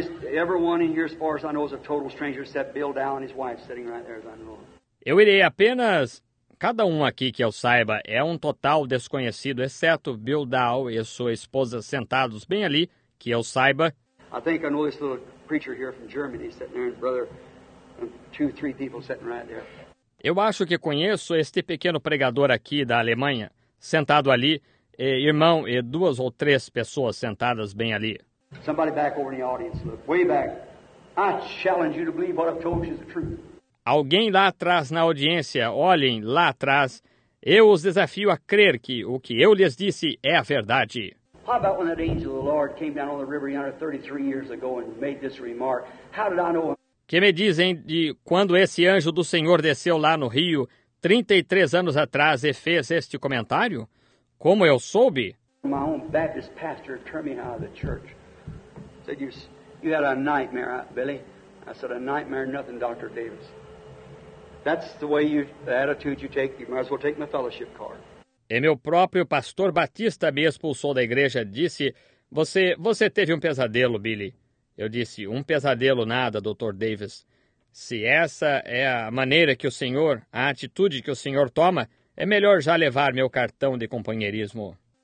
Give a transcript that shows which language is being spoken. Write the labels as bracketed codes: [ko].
[en] Everyone in here, as far as I know, is a total stranger, except Bill Dow and his wife sitting right there, as I know. [pt] Eu irei apenas. Cada um aqui que eu saiba é um total desconhecido, exceto Bill Dow e sua esposa sentados bem ali, que eu saiba. [en] I think I know this little preacher here from Germany sitting there, and brother, and two, three people sitting right there. [pt] Eu acho que conheço este pequeno pregador aqui da Alemanha, sentado ali, e irmão e duas ou três pessoas sentadas bem ali. [en] Somebody back over in the audience, look, way back. I challenge you to believe what I've told you is the truth. [pt] Alguém lá atrás na audiência, olhem lá atrás. Eu os desafio a crer que o que eu lhes disse é a verdade. [en] How about when that angel of the Lord came down on the river yonder 33 years ago and made this remark? How did I know? [pt] Que me dizem de quando esse anjo do Senhor desceu lá no rio 33 anos atrás e fez este comentário? Como eu soube? [en] My own Baptist pastor turned me out of the church. Said you had a nightmare, Billy. I said a nightmare, nothing, Dr. Davis. That's the way you, the attitude you take, you might as well take my fellowship card. [pt] E meu próprio pastor Batista me expulsou da igreja, disse, você teve um pesadelo, Billy. Eu disse, um pesadelo nada, Dr. Davis. Se essa é a maneira que o senhor, a atitude que o senhor toma, é melhor já levar meu cartão de companheirismo.